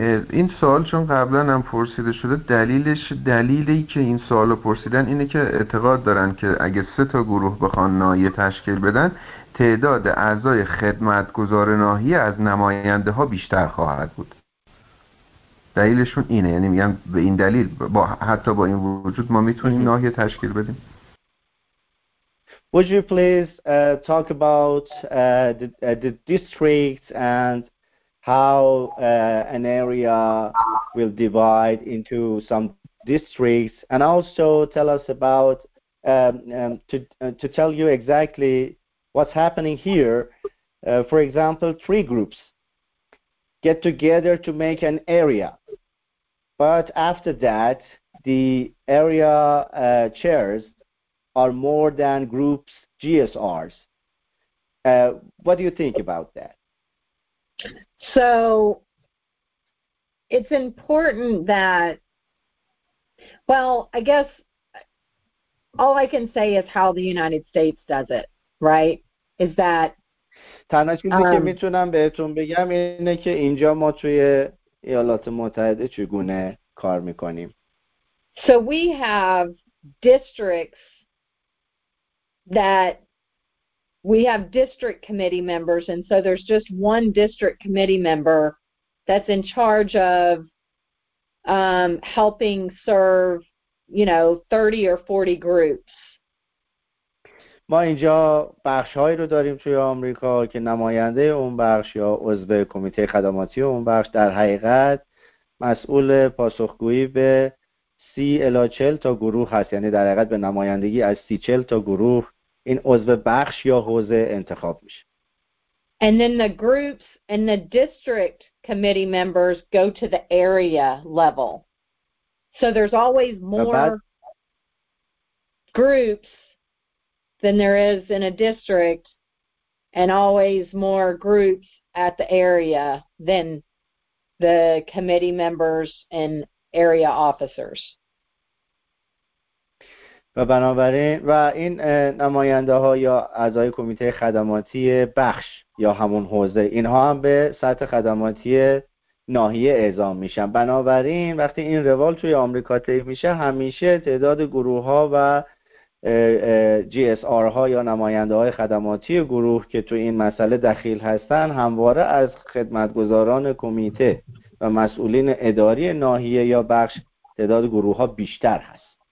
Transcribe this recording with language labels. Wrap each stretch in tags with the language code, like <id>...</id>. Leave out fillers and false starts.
<fa>این سوال چون قبلا هم پرسیده شده، دلیلش دلیلی که این سوال رو پرسیدن اینه که اعتقاد دارن که اگه سه تا گروه بخوان ناحیه تشکیل بدن، تعداد اعضای خدمتگزار ناحیه از نماینده ها بیشتر خواهد بود. دلیلشون اینه، یعنی میگن به این دلیل با حتی با این وجود ما میتونیم ناحیه تشکیل بدیم.</fa> <en>Would you please talk about the districts and how an area will divide into some districts and also tell us about to tell you exactly what's happening here. For example, three groups get together to make an area, but after that the area chairs are more than groups GSRs. What do you think about that? So it's important that, well, I guess all I can say is how the United States does it, right? Is that</en> <fa>تنها چیزی که میتونم بهتون بگم اینه که اینجا ما توی ایالات متحده چگونه کار میکنیم.</fa> <en>So we have districts that we have district committee members, and so there's just one district committee member that's in charge of helping serve, you know, 30 or 40 groups.</en> <fa>ما اینجا بخش‌هایی رو داریم توی آمریکا که نماینده اون بخش یا عضو کمیته خدماتی اون بخش در حقیقت مسئول پاسخگویی به 30 الی 40 تا گروه هست، یعنی در حقیقت به نمایندگی از 30 40 تا گروه این عضو بخش یا حوزه انتخاب میشه.</fa> <en>And then the groups and the district committee members go to the area level. So there's always more groups than there is in a district, and always more groups at the area than the committee members and area officers.</en> <fa>و بنابراین و این نماینده ها یا اعضای کمیته خدماتی بخش یا همون حوزه، اینها هم به سطح خدماتی ناحیه اعزام میشن. بنابراین وقتی این روال توی آمریکا طی میشه، همیشه تعداد گروه ها و جی اس آر ها یا نماینده های خدماتی گروه که توی این مسئله دخیل هستن، همواره از خدمتگزاران کمیته و مسئولین اداری ناحیه یا بخش تعداد گروه ها بیشتر هست.</fa>